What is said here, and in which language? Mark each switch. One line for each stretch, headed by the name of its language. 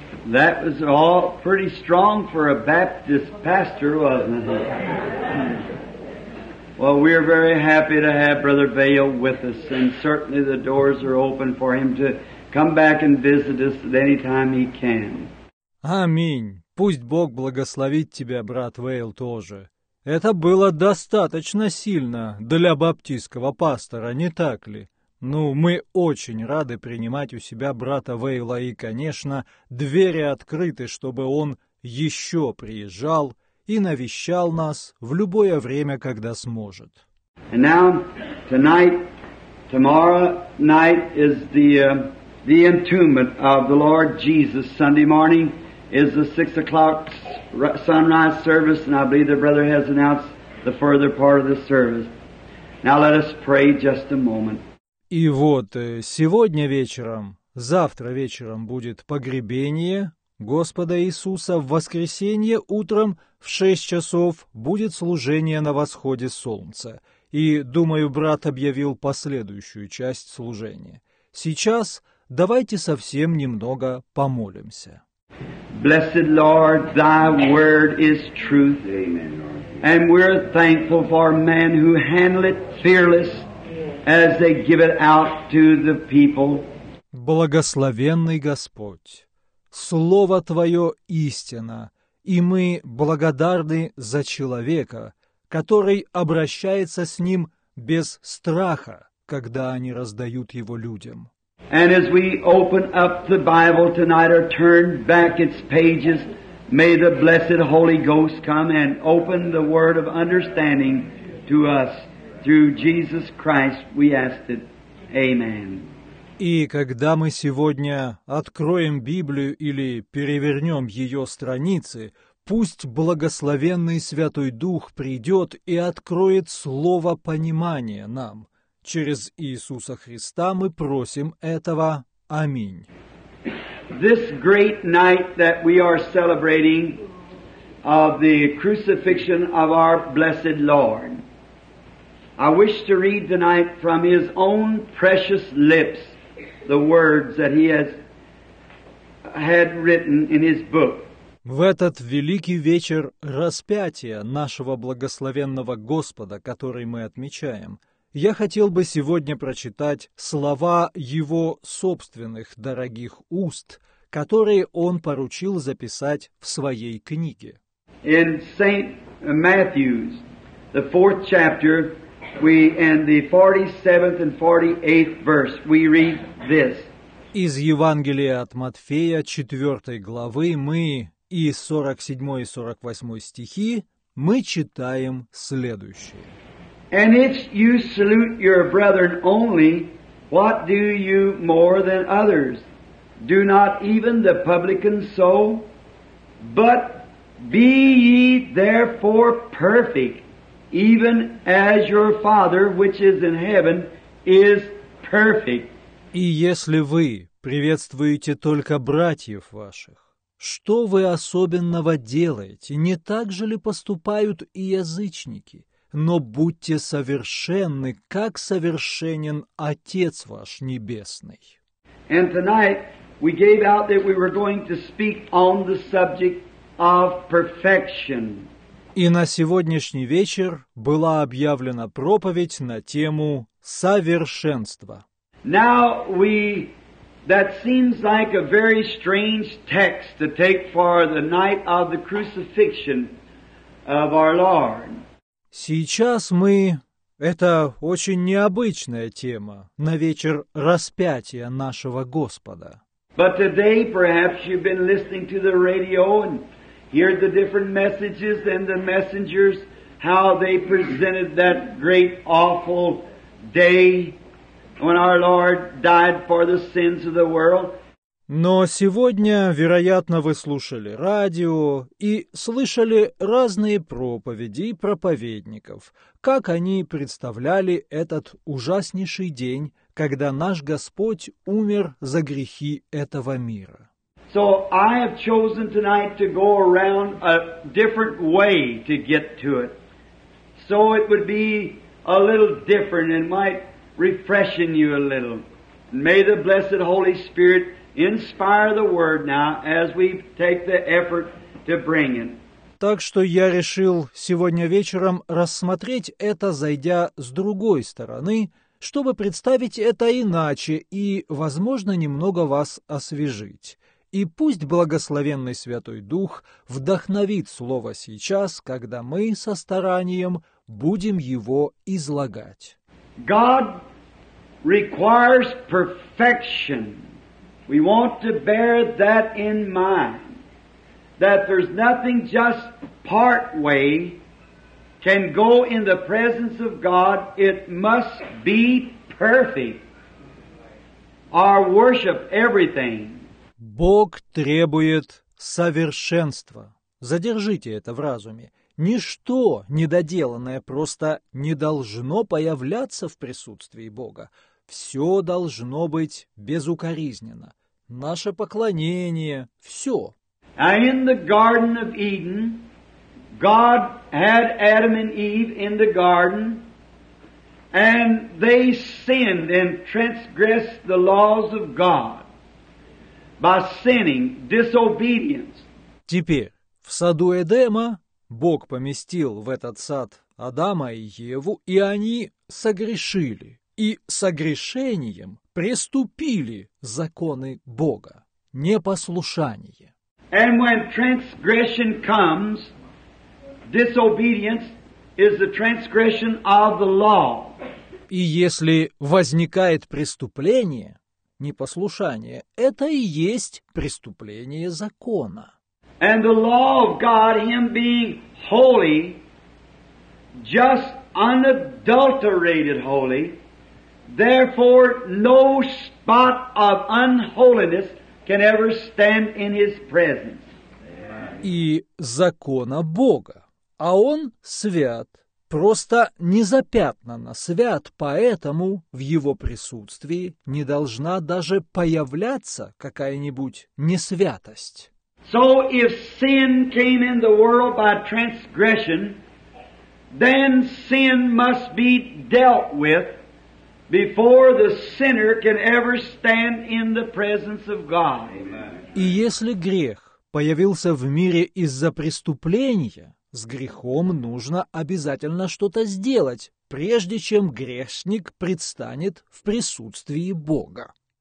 English: That was all pretty strong for a Baptist pastor, wasn't it? Well, we are very happy to have Brother Vail with us, and certainly the doors are open for him to come back and visit us at any time he can.
Russian: Аминь. Пусть Бог благословит тебя, брат Вейл, тоже. Это было достаточно сильно для баптистского пастора, не так ли? Ну, мы очень рады принимать у себя брата Вейла, и, конечно, двери открыты, чтобы он еще приезжал и навещал нас в любое время, когда сможет.
English: And now, tonight, tomorrow night is the entombment of the Lord Jesus. Sunday morning is the 6 o'clock sunrise service, and I believe the brother has announced the further part of the service. Now let us pray just a moment.
Russian: И вот сегодня вечером, завтра вечером будет погребение Господа Иисуса, в воскресенье утром в 6 часов будет служение на восходе солнца. И, думаю, брат объявил последующую часть служения. Сейчас давайте совсем немного помолимся.
English: Blessed Lord, Thy word is truth. Amen. And we're thankful for men who handle it fearless as they give it out to the people.
Russian: Благословенный Господь! Слово Твое истина, и мы благодарны за человека, который обращается с ним без страха, когда они раздают его людям.
English: And as we open up the Bible tonight or turn back its pages, may the blessed Holy Ghost come and open the word of understanding to us. Through Jesus Christ we ask it. Amen.
Russian: И когда мы сегодня откроем Библию или перевернем ее страницы, пусть благословенный Святой Дух придет и откроет слово понимания нам. Через Иисуса Христа мы просим этого. Аминь.
English: This great night that we are celebrating of the crucifixion of our blessed Lord, I wish to read tonight from His own precious lips the words that He has had written in His book.
Russian: В этот великий вечер распятия нашего благословенного Господа, который мы отмечаем, я хотел бы сегодня прочитать слова Его собственных дорогих уст, которые Он поручил записать в Своей книге.
English: In St. Matthew's, the 4th chapter, we, and the 47th and 48th verse, we read this.
Russian: Из Евангелия от Матфея, 4 главы, мы и 47 и 48 стихи, мы читаем следующее.
English: And if you salute your brethren only, what do you more than others? Do not even the publicans so? But be ye therefore perfect, even as your Father, which is in heaven, is perfect.
Russian: И если вы приветствуете только братьев ваших, что вы особенного делаете? Не так же ли поступают и язычники? Но будьте совершенны, как совершенен Отец ваш Небесный.
English: And tonight we gave out that we were going to speak on the subject of perfection.
Russian: И на сегодняшний вечер была объявлена проповедь на тему совершенства.
English: Now we that seems like a very strange text to take for the night of the crucifixion of our Lord.
Russian: Сейчас мы... Это очень необычная тема на вечер распятия нашего Господа.
English: But today, perhaps, you've been listening to the radio and hear the different messages and the messengers, how they presented that great awful day when our Lord died for the sins of the world.
Russian: Но сегодня, вероятно, вы слушали радио и слышали разные проповеди и проповедников, как они представляли этот ужаснейший день, когда наш Господь умер за грехи этого мира.
English: So I have chosen tonight to go around a different way to get to it. So it would be a little different and might refreshing you a little. May the blessed Holy Spirit inspire the word now as we take the effort to bring it.
Russian: Так что я решил сегодня вечером рассмотреть это, зайдя с другой стороны, чтобы представить это иначе и, возможно, немного вас освежить. И пусть благословенный Святой Дух вдохновит слово сейчас, когда мы со старанием будем его излагать.
English: God requires perfection. We want to bear that in mind, that there's nothing just part way can go in the presence of God. It must be perfect. Our worship, everything.
Russian: Бог требует совершенства. Задержите это в разуме. Ничто недоделанное просто не должно появляться в присутствии Бога. Все должно быть безукоризненно. Наше поклонение, все.
English: And in the Garden of Eden, God had Adam and Eve in the garden, and they sinned and transgressed the laws of God by sinning, disobedience.
Russian: Теперь в саду Эдема Бог поместил в этот сад Адама и Еву, и они согрешили. И согрешением преступили законы Бога, непослушание.
English: And when transgression comes, disobedience is the transgression of the law.
Russian: И если возникает преступление, непослушание, это и есть преступление закона.
English: And the law of God, Him being holy, just unadulterated holy, therefore, no spot of unholiness can ever stand in His presence.
Russian: И закона Бога, а Он свят, просто незапятнанно свят, поэтому в Его присутствии не должна даже появляться какая-нибудь несвятость.
English: So if sin came in the world by transgression, then sin must be dealt with before the sinner can ever stand in the presence of God.
Russian: И если грех появился в мире из-за преступления, с грехом нужно обязательно что-то сделать, прежде чем грешник предстанет в присутствии Бога.